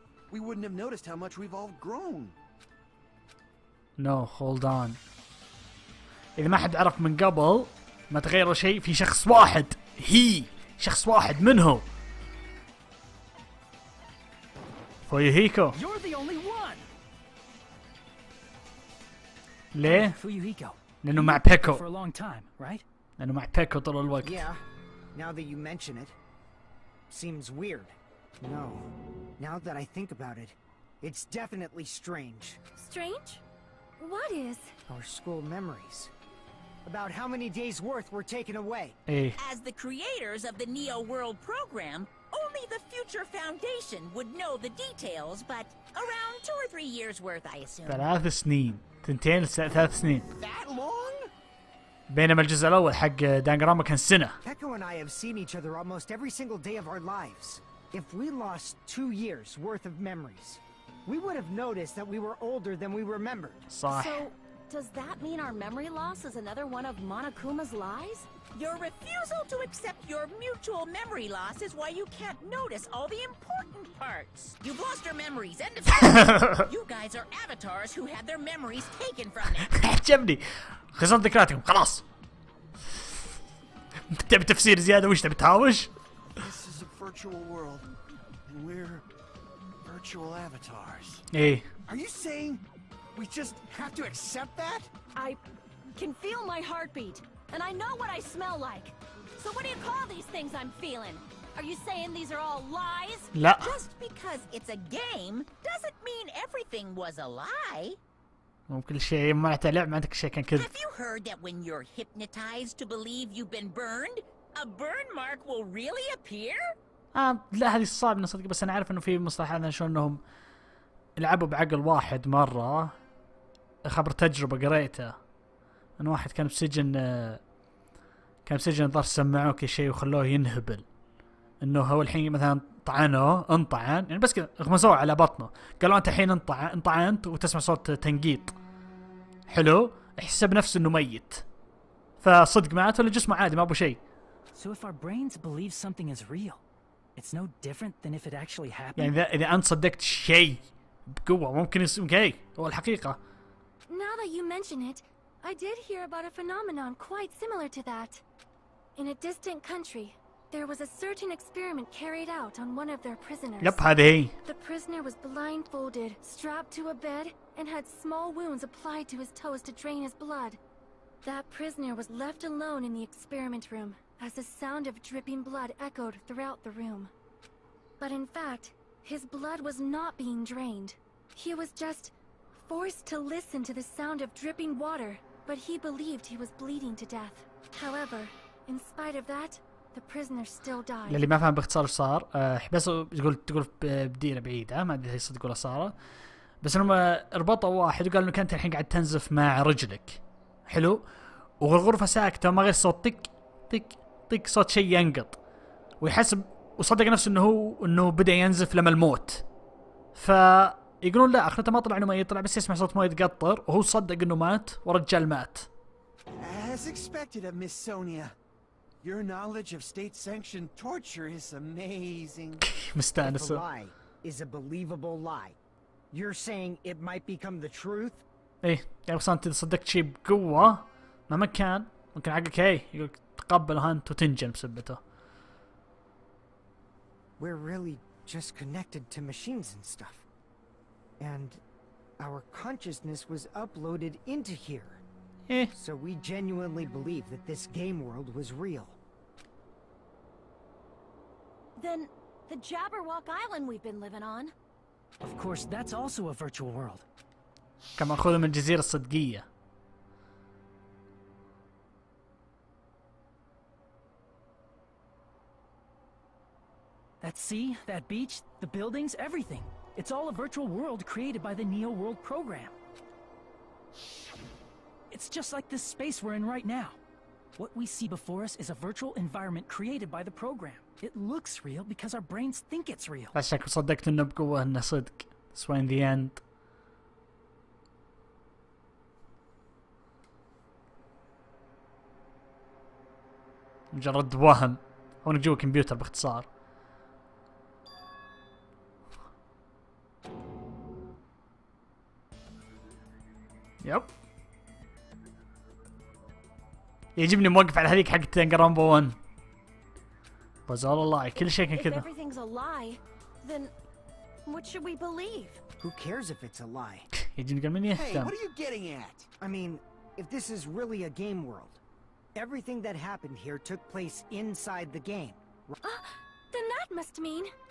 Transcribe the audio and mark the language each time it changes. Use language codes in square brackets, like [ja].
[en] We wouldn't have noticed how much we've all grown. No, hold on. [ar] إذا ما حد عرف من قبل ما تغيروا شيء في شخص واحد. He. شخص واحد منه. [en] For Yuhiko. You're the only one. [ar] ليه؟ [en] For Yuhiko. [ar] لأنه مع بيكو. [en] For a long time, right? [ar] لأنه مع بيكو طول الوقت. [en] Yeah. Now that you mention it, seems weird. No. Now that I think about it, it's definitely strange. Strange? What is? Our school memories. About how many days worth were taken away. Hey. As the creators of the Neo World program, only the future foundation would know the details, but around 2 or 3 years worth, I assume. [ar] ثلاث سنين. تنتين لثلاث سنين. [en] That long? [ar] بينما الجزء الأول حق دانجراما كان سنة. [en] Keiko and I have seen each other almost every single day of our lives. If we lost 2 years worth of memories, we would have noticed that we were older than we remembered. [ar] صح. [en] So, does that mean our memory loss is another one of Monokuma's lies? Your refusal to accept your mutual memory loss is why you can't notice all the important parts. You've lost your memories, end of story. You guys are avatars who had their memories taken from [ar] them. عجبني. خسرت ذكرياتكم، خلاص. تبي تفسير زيادة وش تبي تهاوش؟ [en] This is a virtual world, and we're virtual avatars. Hey. Are you saying we just have to accept that? I can feel my heartbeat. And I know what I smell like. So what do you call these things I'm feeling? Are you saying these are all lies? [ar] لا. [en] Just because it's a game doesn't mean everything was a lie. [ar] ممكن شيء ما تلعب معناتك شيء كان كذب. [en] Have you heard that when you're hypnotized to believe you've been burned, a burn mark will really appear? [ar] لا هذه صعب من صدق بس أنا عارف إنه في مصطلحات شلون إنهم لعبوا بعقل واحد مرة خبر تجربة قريته. ان واحد كان بسجن ضار سمعوه كل شيء وخلوه ينهبل انه هو الحين مثلا انطعن يعني بس كذا اغمسوه على بطنه قالوا انت الحين انطعنت وتسمع صوت تنقيط حلو احسب نفسه انه ميت فصدق مات ولا جسمه عادي ما ابو شيء [en] so if our brains believe something is real it's no different than if it actually happened [ar] يعني اذا انت صدقت شيء بقوه ممكن يصير اوكي هو الحقيقه [en] Now that you mention it, I did hear about a phenomenon quite similar to that. In a distant country, there was a certain experiment carried out on one of their prisoners. Yep, honey. The prisoner was blindfolded, strapped to a bed, and had small wounds applied to his toes to drain his blood. That prisoner was left alone in the experiment room, as the sound of dripping blood echoed throughout the room. But in fact, his blood was not being drained. He was just forced to listen to the sound of dripping water, but he believed he was bleeding to death. However, in spite of that, the prisoner still died. [ar] اللي ما فهم باختصار ايش صار بس تقول بديره بعيده ما ادري ايش تقول ساره بس انهم ربطوا واحد وقال انه كانت الحين قاعد تنزف مع رجلك حلو والغرفه ساكته ما غير صوت تك تك تك صوت شيء ينقط ويحسب وصدق نفسه انه بدا ينزف لما الموت ف يقولون لا اخرته ما طلع انه ما يطلع بس يسمع صوت مويه يتقطر وهو صدق انه مات ورجال مات [en] As expected of Miss Sonia, your knowledge of state sanctioned torture is amazing. [ar] مستانس. [en] A lie is a believable lie. You're saying it might become the truth? [ar] ايه يعني بس انت صدقت شيء بقوة مهما كان ممكن عقلك ايه يقول تقبلها انت وتنجن بسبته. [en] We're really just connected to machines and stuff. And our consciousness was uploaded into here. Eh. So we genuinely believe that this game world was real. Then, the Jabberwock Island we've been living on. Of course, that's also a virtual world. [ar] كما أخذ من الجزيرة الصدقية. [en] That sea, that beach, the buildings, everything. It's all a virtual world created by the Neo World program. It's just like this space we're in right now. What we see before us is a virtual environment created by the program. It looks real because our brains think it's real. [ar] بس شكل صدقت انه بقوة انه صدق. [en] So in the end. [ar] مجرد وهم. هو انك جوا كمبيوتر باختصار. يب. يجبني موقف على هذيك حق دنقنرونبا 1 بس والله كل شيء كان كذا [en] everything's a lie then what should we believe who cares if it's a lie [ar] يجبني قال من يهتم [en] hey what are you getting at I mean if this is really a game world everything that happened here took place inside the game then that must mean